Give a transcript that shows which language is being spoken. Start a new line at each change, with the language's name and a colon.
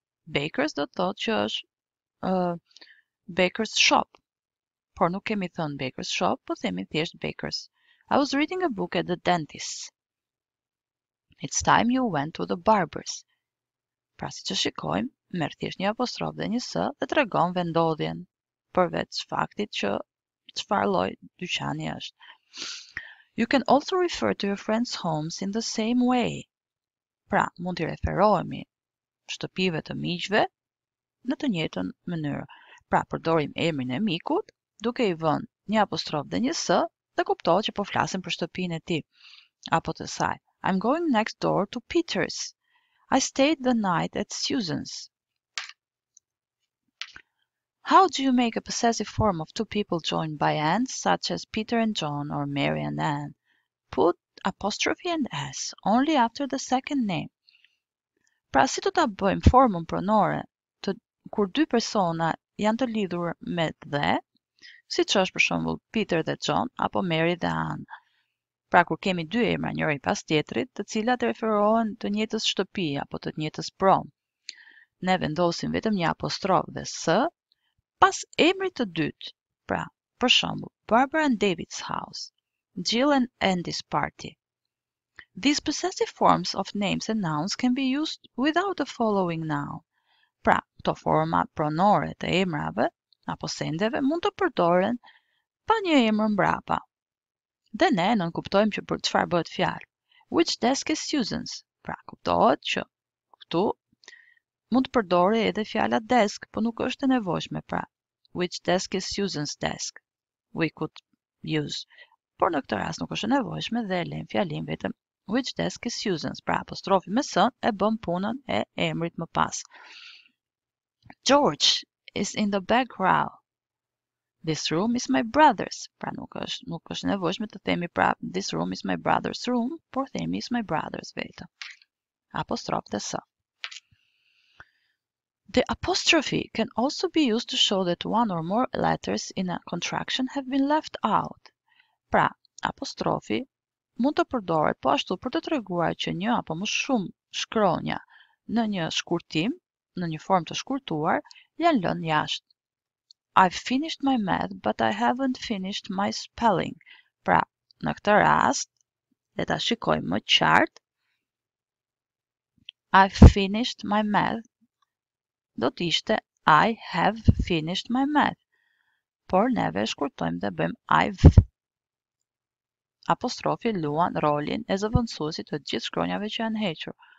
Albanian: Bakers do të thotë që është baker's shop. Por nuk kemi thënë baker's shop, po themi thjesht baker's.
English: I was reading a book at the dentist's. It's time you went to the barber's.
Albanian: Pra, si që shikojmë, Mërtisht një apostrof dhe një s dhe tregon vendodhjen, përveç faktit që çfarë lloj dyqani është.
English: You can also refer to your friends' homes in the same way.
Albanian: Pra, mund t'i referohemi shtëpive të miqve në të njëjtën mënyrë. Pra, përdorim emrin e mikut, duke i vënë një apostrof dhe një s dhe kuptohet që po flasim për shtëpinë e tij apo të saj.
English: I'm going next door to Peter's. I stayed the night at Susan's. How do you make a possessive form of two people joined by and, such as Peter and John or Mary and Anne? Put apostrophe and s only after the second name.
Albanian: Pra, si do ta bëjmë formën pronore të, kur dy persona janë të lidhur me dhe, si që është për shumë Peter dhe John, apo Mary dhe Anne. Pra, kur kemi dy emra njëri pas tjetrit, të cilat referohen të njëtës shtëpi, apo të njëtës prom, ne vendosim vetëm një apostrof dhe s, pas emrit të dytë, pra, për shembull,
English: Barbara and David's house, Jill and Andy's party. These possessive forms of names and nouns can be used without a following noun.
Albanian: Pra, to format pronore të emrave, apo sendeve, mund të përdoren pa një emër mbrapa. Dhe ne nën kuptojmë që për çfarë bëhet fjalë.
English: Which desk is Susan's?
Albanian: Pra, kuptohet që këtu mund të përdore edhe fjala desk, po nuk është e nevojshme, pra.
English: Which desk is Susan's desk? We could use.
Albanian: Por në këtë rast nuk është e nevojshme dhe lejmë fjalin vetëm.
English: Which desk is Susan's?
Albanian: Pra, apostrofi me s e bën punën e emrit më pas.
English: George is in the back row. This room is my brother's.
Albanian: Pra, nuk është e nevojshme të themi pra.
English: This room is my brother's room,
Albanian: por themi
English: is my brother's
Albanian: vetëm. Apostrof të s.
English: The apostrophe can also be used to show that one or more letters in a contraction have been left out.
Albanian: Pra, apostrofi mund të përdoret po ashtu për të treguar që një apo më shumë shkronja në një shkurtim, në një formë të shkurtuar, janë lënë jashtë.
English: I've finished my math, but I haven't finished my spelling.
Albanian: Pra, në këtë rast, le ta shikojmë më qartë.
English: I've finished my math.
Albanian: Do të ishte
English: I have finished my math.
Albanian: Por neve shkurtojmë dhe bëjmë I've. Apostrofi luan rolin e zëvendësuesit të gjithë shkronjave që janë hequr.